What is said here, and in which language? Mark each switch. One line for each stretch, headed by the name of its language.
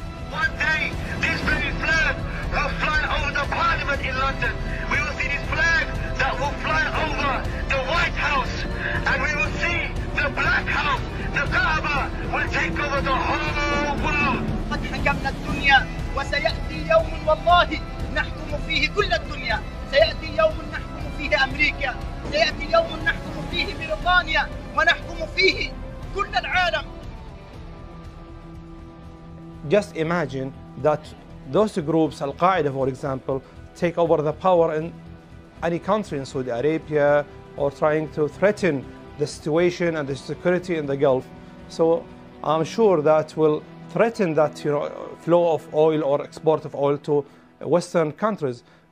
English: One day, this very flag will fly over the parliament in London. We will see this flag that will fly over the White House. And we will see the Black House, the Kaaba, will take over the whole world.
Arabic: قد حكمنا الدنيا وسيأتي يوم والله نحكم فيه كل الدنيا. سيأتي يوم نحكم فيه أمريكا. سيأتي يوم نحكم فيه بريطانيا ونحكم فيه كل العالم.
English: Just imagine that those groups, Al-Qaeda for example, take over the power in any country in Saudi Arabia or trying to threaten the situation and the security in the Gulf. So I'm sure that will threaten that, you know, flow of oil or export of oil to Western countries.